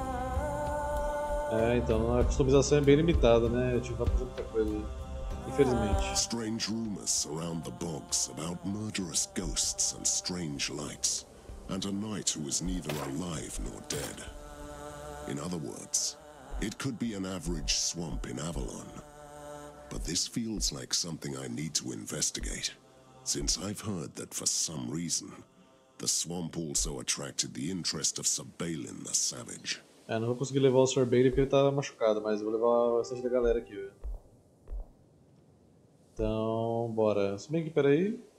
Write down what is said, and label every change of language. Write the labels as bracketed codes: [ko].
[pt] A customização é bem limitada, né? Eu tive que fazer muita coisa, infelizmente. [en] Strange rumors surround the bogs about murderous ghosts and strange lights, and a knight who is neither alive nor dead. In other words, it could be an average swamp in Avalon. But this feels like something I need to investigate, since I've heard that for some reason, the swamp also attracted the interest of Sir Balin the Savage. [pt] É, não vou conseguir levar o Sr. Bailey porque ele tá machucado, mas vou levar o restante da galera aqui, velho. Então, bora. Se bem que, peraí.